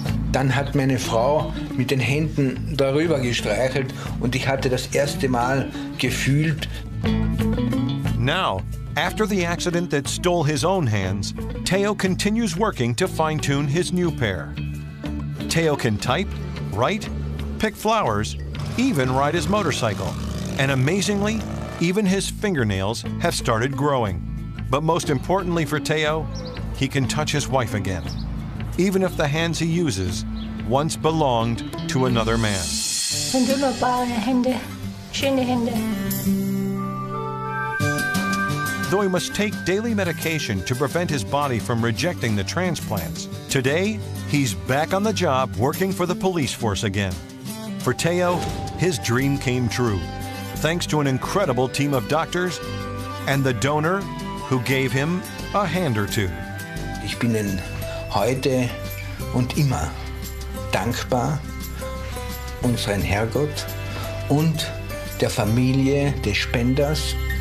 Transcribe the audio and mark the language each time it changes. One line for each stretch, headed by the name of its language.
German: Dann hat meine Frau mit den Händen darüber gestreichelt und ich hatte das erste Mal gefühlt.
English: Now, after the accident that stole his own hands, Teo continues working to fine-tune his new pair. Teo can type, write, pick flowers, even ride his motorcycle. And amazingly, even his fingernails have started growing. But most importantly for Teo, he can touch his wife again, even if the hands he uses once belonged to another man. Though he must take daily medication to prevent his body from rejecting the transplants, today he's back on the job working for the police force again. For Teo, his dream came true, thanks to an incredible team of doctors and the donor who gave him a hand or two.
German: Ich bin ein heute und immer dankbar unseren Herrgott und der Familie des Spenders.